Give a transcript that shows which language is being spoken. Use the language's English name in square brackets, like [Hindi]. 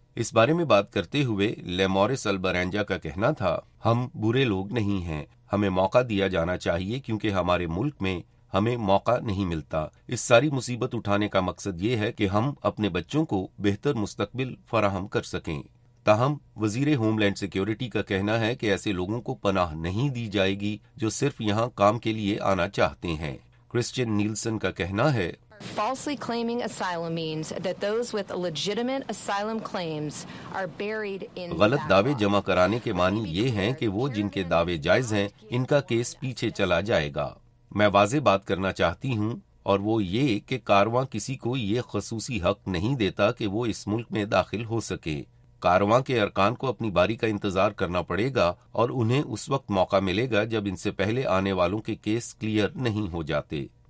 [Urdu] اس بارے میں بات کرتے ہوئے لیموریس البرینجا کا کہنا تھا, ہم برے لوگ نہیں ہیں, ہمیں موقع دیا جانا چاہیے کیونکہ ہمارے ملک میں ہمیں موقع نہیں ملتا. اس ساری مصیبت اٹھانے کا مقصد یہ ہے کہ ہم اپنے بچوں کو بہتر مستقبل فراہم کر سکیں. تاہم وزیر ہوم لینڈ سیکیورٹی کا کہنا ہے کہ ایسے لوگوں کو پناہ نہیں دی جائے گی جو صرف یہاں کام کے لیے آنا چاہتے ہیں. کرسچن نیلسن کا کہنا ہے, [English] Falsely claiming asylum means that those with legitimate asylum claims are buried in. [Urdu] غلط دعوے جمع کرانے کے معنی یہ ہیں کہ وہ جن کے دعوے جائز ہیں ان کا کیس پیچھے چلا جائے گا. میں واضح بات کرنا چاہتی ہوں اور وہ یہ کہ کارواں کسی کو یہ خصوصی حق نہیں دیتا کہ وہ اس ملک میں داخل ہو سکے. کارواں کے ارکان کو اپنی باری کا انتظار کرنا پڑے گا اور انہیں اس وقت موقع ملے گا جب ان سے پہلے آنے والوں کے کیس کلیئر نہیں ہو جاتے.